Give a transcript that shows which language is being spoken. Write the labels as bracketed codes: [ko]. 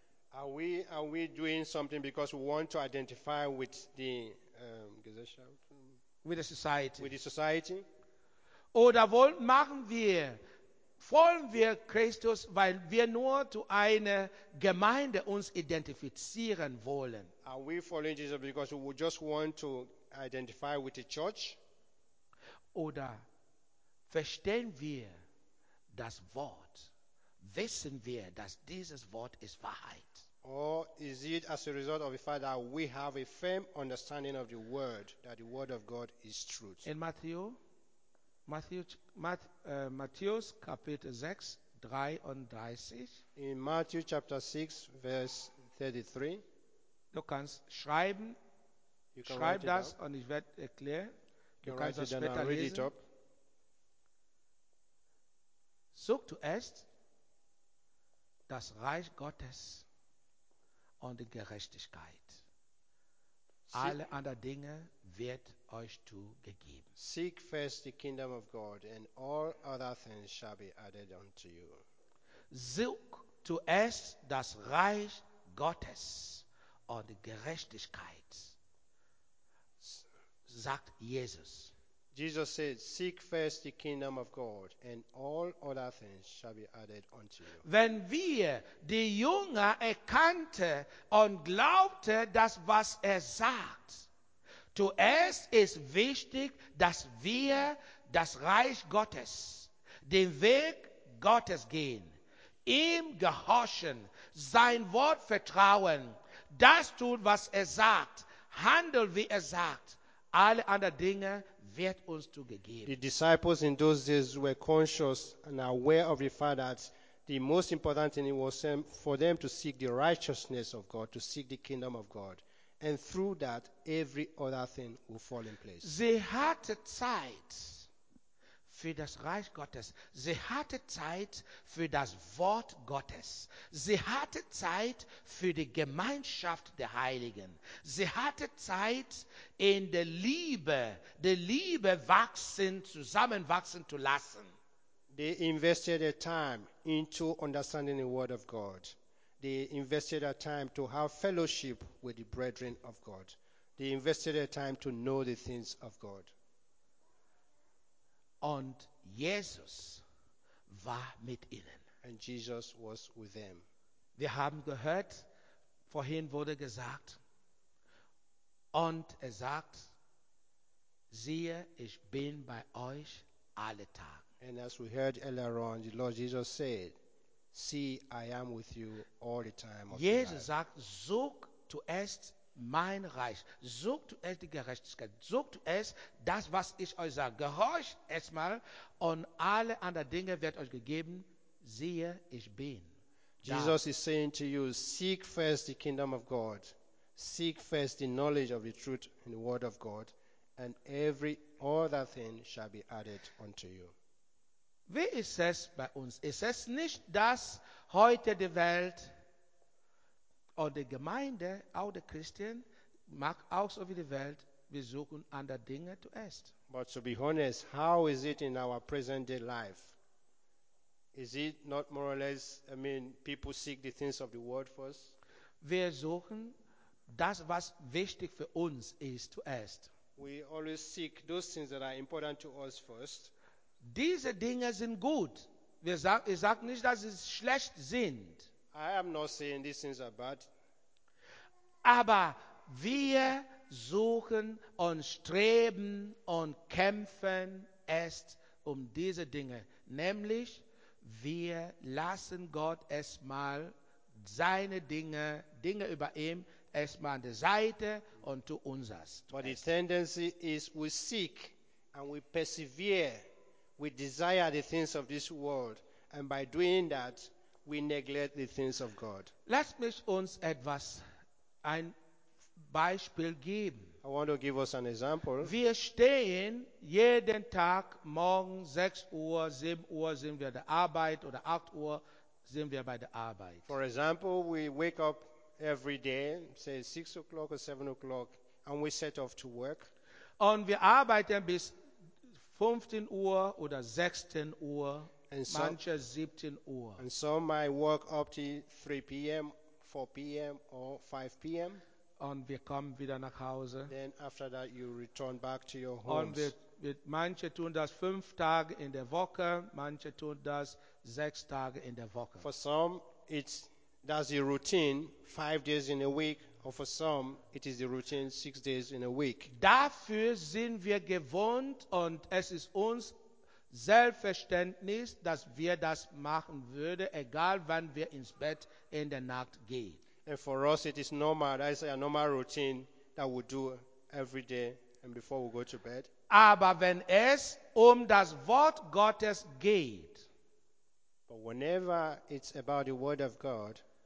[en] Are we doing something because we want to identify with the Gesellschaft? With the society. With the society? [de] Oder folgen wir Christus, weil wir nur zu einer Gemeinde uns identifizieren wollen? [en] Are we following Jesus because we just want to identify with the church? [de] Oder verstehen wir das Wort? Wissen wir, dass dieses Wort ist Wahrheit? [en] Or is it as a result of the fact that we have a firm understanding of the word, that the word of God is truth? [de] In Matthäus Kapitel 6, 33. [en] In Matthew chapter 6, verse 33. [de] Du kannst schreiben. [en] You can [de] schreib [en] write [de] das [en] it [de] und ich werde erklären. [en] You can [de] kannst [en] write it [de] später [en] read [de] lesen. [en] It up. [de] Such zuerst das Reich Gottes und die Gerechtigkeit. Alle anderen Dinge wird euch zugegeben. [en] Seek first the kingdom of God, and all other things shall be added unto you. [de] Such zuerst das Reich Gottes und die Gerechtigkeit, sagt Jesus. [en] Jesus said, seek first the kingdom of God and all other things shall be added unto you. [de] Wenn wir die Jünger erkannte und glaubte das, was sagt, zuerst ist wichtig, dass wir das Reich Gottes, den Weg Gottes gehen, ihm gehorchen, sein Wort vertrauen, das tun, was sagt, handeln, wie sagt, alle anderen Dinge wird uns zugegeben. [en] The disciples in those days were conscious and aware of the fact that the most important thing was for them to seek the righteousness of God, to seek the kingdom of God. And through that, every other thing will fall in place. [de] Sie hatte Zeit für das Reich Gottes. Sie hatte Zeit für das Wort Gottes. Sie hatte Zeit für die Gemeinschaft der Heiligen. Sie hatte Zeit, in der Liebe wachsen, zusammenwachsen zu lassen. [en] They invested their time into understanding the word of God. They invested their time to have fellowship with the brethren of God. They invested their time to know the things of God. [de] Und Jesus war mit ihnen. [en] And Jesus was with them. [de] Wir haben gehört, vorhin wurde gesagt, und sagt, siehe, ich bin bei euch alle Tage. [en] And as we heard earlier on, the Lord Jesus said, see, I am with you all the time. [de] Jesus sagt, such zuerst mein Reich, such zuerst die Gerechtigkeit, such zuerst das, was ich euch sage. Gehorcht erstmal und alle anderen Dinge wird euch gegeben. Siehe, ich bin. [en] Jesus is saying to you, seek first the kingdom of God, seek first the knowledge of the truth in the word of God, and every other thing shall be added unto you. [de] Wie ist es bei uns? Ist es nicht, dass heute die Welt oder die Gemeinde, auch die Christen, mag auch so wie die Welt, wir suchen andere Dinge zuerst. [en] But to be honest, how is it in our present day life? Is it not more or less, I mean, people seek the things of the world first? [de] Wir suchen das, was wichtig für uns ist, zuerst. [en] We always seek those things that are important to us first. [de] Diese Dinge sind gut. Ich sage nicht, dass sie schlecht sind. [en] I am not saying these things are bad. [de] Aber wir suchen und streben und kämpfen erst um diese Dinge. Nämlich, wir lassen Gott erstmal seine Dinge, Dinge über ihm, erstmal an der Seite und tun unseres. [en] But the tendency is we seek and we persevere. We desire the things of this world, and by doing that, we neglect the things of God. [de] Lass mich uns etwas, ein Beispiel geben. [en] I want to give us an example. [de] Wir stehen jeden Tag morgen 6 Uhr, 7 Uhr sind wir der Arbeit, oder 8 Uhr sind wir bei der Arbeit. [en] For example, we wake up every day, say 6 o'clock or 7 o'clock, and we set off to work. [de] Und wir arbeiten bis 15 Uhr oder 16 Uhr, [en] and [de] manche so, 17 Uhr. [en] And some might work up to 3 p.m., 4 p.m. or 5 p.m. [de] Und wir kommen wieder nach Hause. [en] Then after that you return back to your homes. [de] Und manche tun das 5 Tage in der Woche, manche tun das 6 Tage in der Woche. [en] For some, it's that's the routine, 5 days in a week. Or for some, it is the routine 6 days in a week. [de] Dafür sind wir gewohnt und es ist uns Selbstverständnis, dass wir das machen würden, egal wann wir ins Bett in der Nacht gehen. [en] And for us, it is normal. That is a normal routine that we do every day and before we go to bed. [de] Aber wenn es das Wort Gottes geht, [en] but whenever it's about the Word of God,